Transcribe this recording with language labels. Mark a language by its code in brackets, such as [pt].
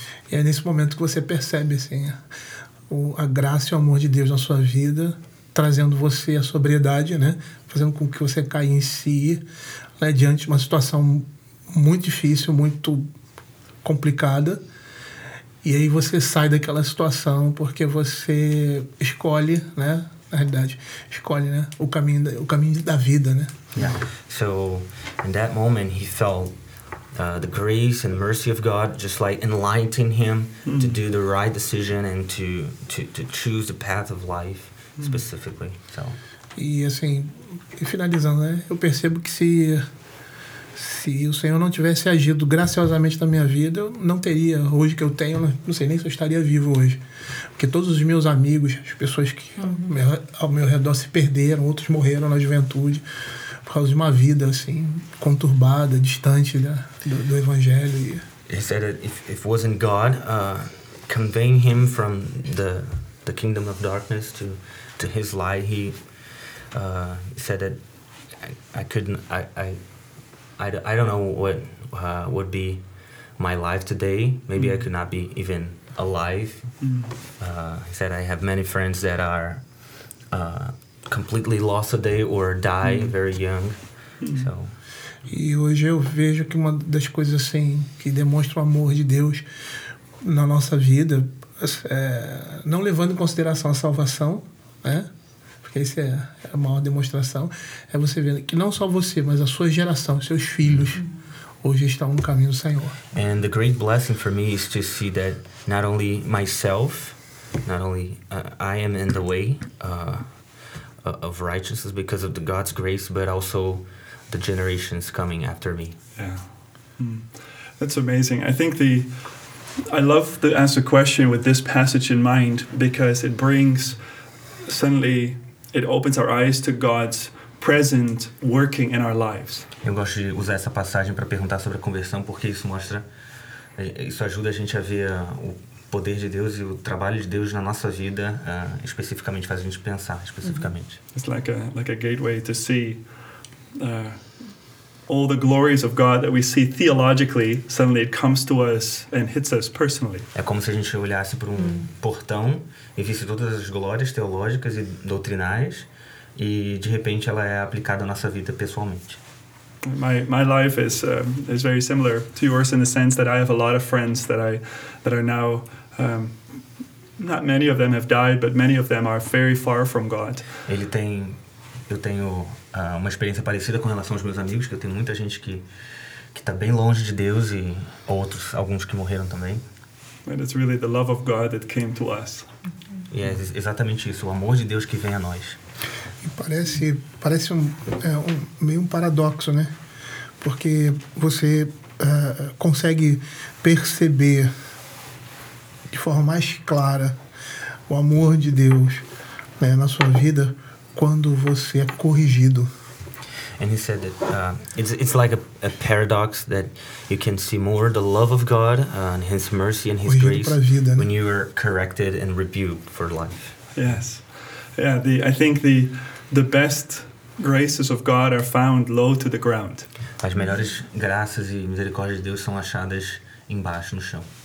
[pt] E é nesse momento que você percebe assim a graça e o amor de Deus na sua vida, trazendo você a sobriedade, né? Fazendo com que você caia em si, né? Diante de uma situação muito difícil, muito complicada. E aí você sai daquela situação porque você escolhe, né? Na realidade, escolhe, né? O caminho da vida, né? [en] Yeah. So, in that moment, he felt the grace and mercy of God just like enlightening him to do the right decision and to choose the path of life. Specifically, so. [pt] E assim, e finalizando, né? Eu percebo que se o Senhor não tivesse agido graciosamente na minha vida, eu não teria hoje que eu tenho, não sei nem se eu estaria vivo hoje. Porque todos os meus amigos, as pessoas que ao meu redor se perderam, outros morreram na juventude por causa de uma vida assim conturbada, distante, né? do evangelho. [en] He said that if wasn't God conveying him from the kingdom of darkness to his light, he said that I don't know what would be my life today. Maybe I could not be even alive. He said I have many friends that are completely lost today or die very young. So [pt] e hoje eu vejo que uma das coisas assim que demonstra o amor de Deus na nossa vida, não levando em consideração a salvação, né? Porque isso é a maior demonstração. É você ver que não só você, mas a sua geração, seus filhos, hoje estão no caminho do Senhor. [en] And the great blessing for me is to see that not only myself, not only I am in the way of righteousness because of the God's grace, but also the generations coming after me. Yeah. That's amazing. I think I love to ask the question with this passage in mind because it brings, suddenly, it opens our eyes to God's present working in our lives. [pt] Eu gosto de usar essa passagem para perguntar sobre a conversão porque isso mostra, isso ajuda a gente a ver o poder de Deus e o trabalho de Deus na nossa vida, especificamente, faz a gente pensar especificamente. Mm-hmm. [en] It's like a gateway to see all the glories of God that we see theologically, suddenly it comes to us and hits us personally. [pt] É como se a gente olhasse por portão e visse todas as glórias teológicas e doutrinais e de repente ela é aplicada à nossa vida pessoalmente. [en] My life is very similar to yours in the sense that I have a lot of friends that are now not many of them have died, but many of them are very far from God. [pt] Eu tenho uma experiência parecida com relação aos meus amigos, que eu tenho muita gente que está bem longe de Deus e outros, alguns que morreram também. [en] And it's really the love of God that came to us. [pt] E é exatamente isso, o amor de Deus que vem a nós. E parece meio um paradoxo, né? Porque você consegue perceber de forma mais clara o amor de Deus, né, na sua vida quando você é corrigido. [en] And he said that it's like a paradox that you can see more the love of God and his mercy and his [pt] corrigido [en] grace [pt] pra vida, [en] when [pt] né? [en] you are corrected and rebuked for life. Yes. Yeah, I think the best graces of God are found low to the ground. [pt] As melhores graças e misericórdias de Deus são achadas embaixo no chão.